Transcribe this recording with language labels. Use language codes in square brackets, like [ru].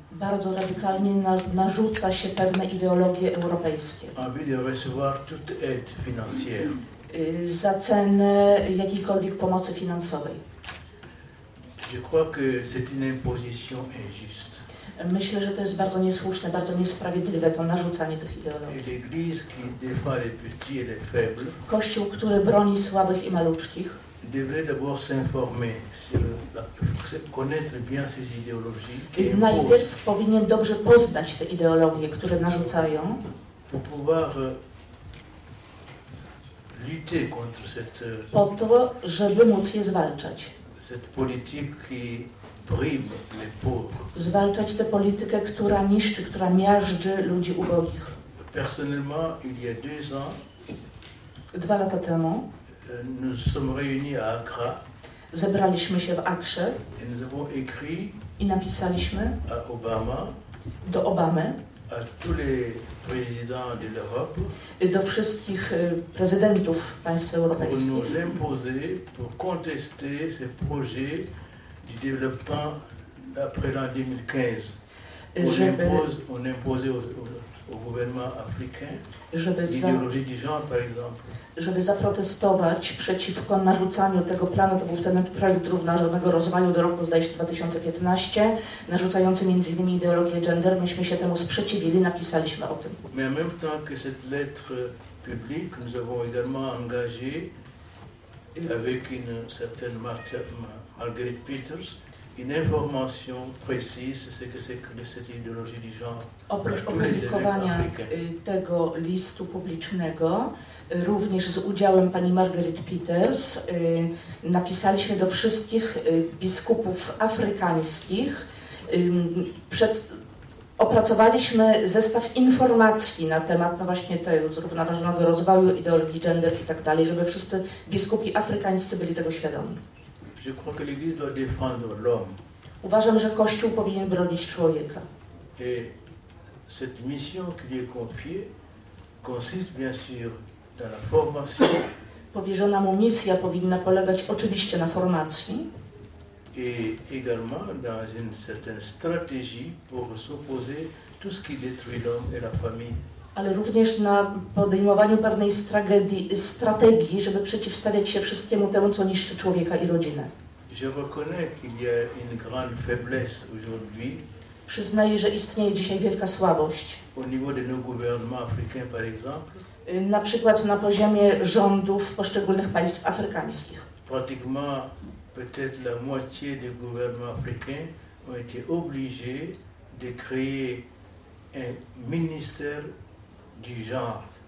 [pl] Bardzo radykalnie narzuca się pewne ideologie europejskie. [fr] En vue de recevoir toute aide financière. [pl] Za cenę jakiejkolwiek pomocy finansowej. [fr] Je crois que c'est une imposition injuste. [pl] Myślę, że to jest bardzo niesłuszne, bardzo niesprawiedliwe, to narzucanie tych ideologii. [fr] Et l'église qui défend les petits et les faibles. [pl] Kościół, który broni słabych i maluczkich. [fr] Devrait d'abord s'informer sur la, connaître bien ces idéologies. [pl] Najpierw powinien dobrze poznać te ideologie, które narzucają. [fr] Pour pouvoir lutter contre cette. [pl] Po to, żeby móc je zwalczać. [fr] Cette politique qui brime les pauvres. [pl] Zwalczać tę politykę, która niszczy, która miażdży ludzi ubogich. [fr] Personnellement, il y a deux ans. [pl] Dwa lata temu. [fr] Nous sommes réunis à Accra. [pl] Zebraliśmy się w Akrze. [fr] Et nous avons écrit. [pl] I napisaliśmy. [fr] À Obama. [pl] Do Obamy. [fr] À tous les présidents de l'Europe. [pl] Do wszystkich prezydentów państw europejskich. [fr] Pour nous imposer, pour contester ce projet du développement après l'an 2015. On impose au gouvernement africain. L'idéologie du genre, par exemple. [pl] Żeby zaprotestować przeciwko narzucaniu tego planu, to był ten projekt zrównoważonego rozwoju do roku, zdaje się, 2015, narzucający między innymi ideologię gender, myśmy się temu sprzeciwili, napisaliśmy o tym. [fr] Mais en même temps que cette lettre publique, nous avons également engagé avec une certaine Marguerite Peters. Une information précise, c'est que c'est que cette idéologie du genre. [pl] Oprócz opublikowania tego listu publicznego, również z udziałem pani Marguerite Peters, napisaliśmy do wszystkich biskupów afrykańskich, opracowaliśmy zestaw informacji na temat no właśnie tego zrównoważonego rozwoju, ideologii gender i tak dalej, żeby wszyscy biskupi afrykańscy byli tego świadomi. [fr] Je crois que l'Église doit défendre l'homme. [pl] Uważam, że Kościół powinien bronić człowieka. [fr] Et cette mission qui lui est confiée consiste bien sûr dans la formation. [pl] Powierzona mu misja powinna polegać oczywiście na formacji. [fr] Et également dans une certaine stratégie pour s'opposer tout ce qui détruit l'homme et la famille. [pl] Ale również na podejmowaniu pewnej strategii, żeby przeciwstawiać się wszystkiemu temu, co niszczy człowieka i rodzinę. [fr] Je reconnais qu'il y a une grande faiblesse aujourd'hui. [pl] Przyznaję, że istnieje dzisiaj wielka słabość. [fr] Au niveau de nos gouvernements africains, par exemple. [pl] Na przykład na poziomie rządów poszczególnych państw afrykańskich. [fr] Pratiquement peut-être la moitié des gouvernements africains ont été obligés de créer un ministère du genre.